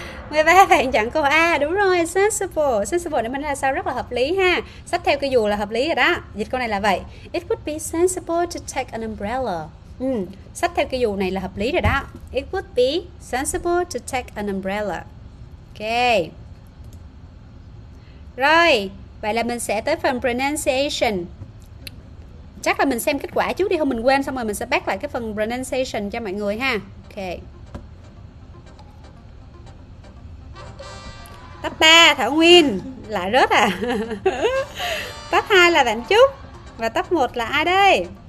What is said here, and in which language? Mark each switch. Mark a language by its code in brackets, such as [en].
[vi] 13 bạn chọn câu A, đúng rồi, sensible. Sensible để mình là sao rất là hợp lý ha. Xách theo cái dù là hợp lý rồi đó. Dịch câu này là vậy. [en] It would be sensible to take an umbrella. [vi] Xách theo cái dù này là hợp lý rồi đó. [en] It would be sensible to take an umbrella. Ok. [vi] Rồi, vậy là mình sẽ tới phần pronunciation. Chắc là mình xem kết quả trước đi, không mình quên xong rồi mình sẽ back lại cái phần pronunciation cho mọi người ha. Ok. Top 3 Thảo Nguyên lại rớt à? Top 2 là bạn Trúc và top 1 là ai đây?